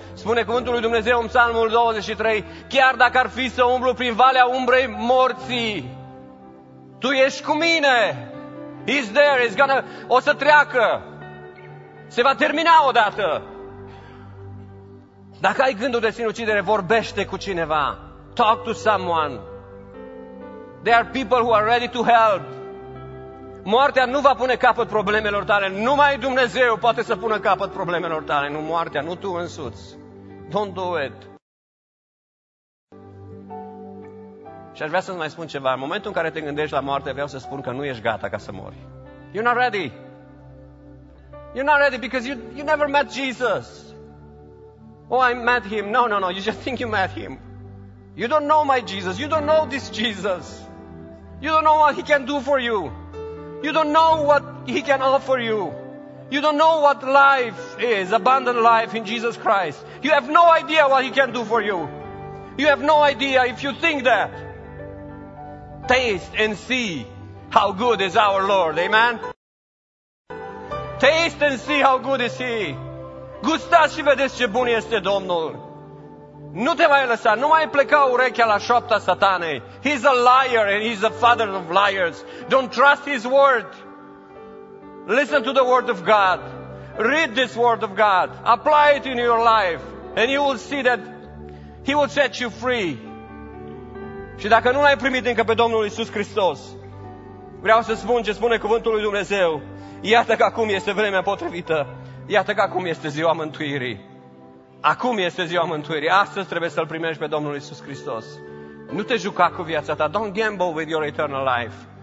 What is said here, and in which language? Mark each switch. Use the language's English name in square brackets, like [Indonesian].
[Romanian] Spune cuvântul lui Dumnezeu în Psalmul 23, chiar dacă ar fi să umblu prin valea umbrei morții, tu ești cu mine. [English] He's there, he's gonna... [Romanian] O să treacă. Se va termina odată. Dacă ai gândul de sinucidere, vorbește cu cineva. [English] Talk to someone. There are people who are ready to help. [Romanian] Moartea nu va pune capăt problemelor tale. Numai Dumnezeu poate să pună capăt problemelor tale. Nu moartea, nu tu însuți. [English] Don't do it. [Romanian] Și aș vrea să-ți mai spun ceva. În momentul în care te gândești la moarte, vreau să spun că nu ești gata ca să mori. [English] You're not ready. You're not ready because you never met Jesus. Oh, I met him. No. You just think you met him. You don't know my Jesus. You don't know this Jesus. You don't know what he can do for you. You don't know what he can offer you. You don't know what life is, abundant life in Jesus Christ. You have no idea what he can do for you. You have no idea if you think that. Taste and see how good is our Lord. Amen. Taste and see how good is he. [Romanian] Gustați și vedeți ce bun este Domnul. Nu te mai lăsa, nu mai pleca urechea la șoapta satanei. [English] He's a liar and he's the father of liars. Don't trust his word. Listen to the word of God. Read this word of God. Apply it in your life. And you will see that He will set you free. [Romanian] Și dacă nu l-ai primit încă pe Domnul Iisus Hristos, vreau să spun ce spune cuvântul lui Dumnezeu. Iată că acum este vremea potrivită. Iată că acum este ziua mântuirii. Acum este ziua mântuirii. Astăzi trebuie să-L primești pe Domnul Iisus Hristos. Nu te juca cu viața ta. [English] Don't gamble with your eternal life.